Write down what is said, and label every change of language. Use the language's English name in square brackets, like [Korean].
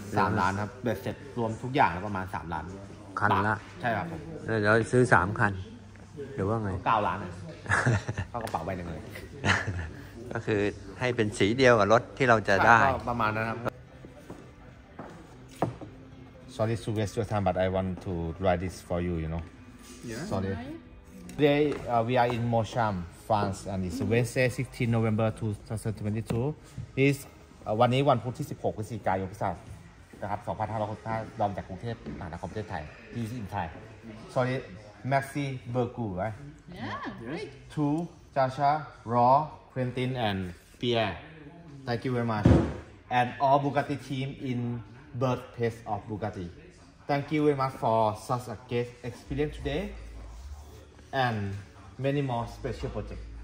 [Thai] 3ล้านครับเบ็ดเสร็จรวมทุกอย่างประมาณ3ล้าน คันละ ใช่ครับผม แล้วเดี๋ยวซื้อ3คันหรือว่าไง 9ล้านเข้ากระเป๋าใบนึงเลย ก็คือให้เป็นสีเดียวกับรถที่เราจะได้ประมาณนั้นครับ [English] Sorry to waste your time but I want to ride this for you you know Yeah Sorry Today we are in Mosham France and it's Wednesday 16 November 2022 is [Thai] วันนี้วันพุธที่16พฤศจิกายนพุทธศักราช2565ดอมจากกรุงเทพมหานครประเทศไทย [English] in Thai Sorry Maxi Burgu right Yeah great To Jasha Raw Quentin and Pierre Thank you very much and all Bugatti team in birthplace of Bugatti Thank you very much for such a great experience today and many more special project.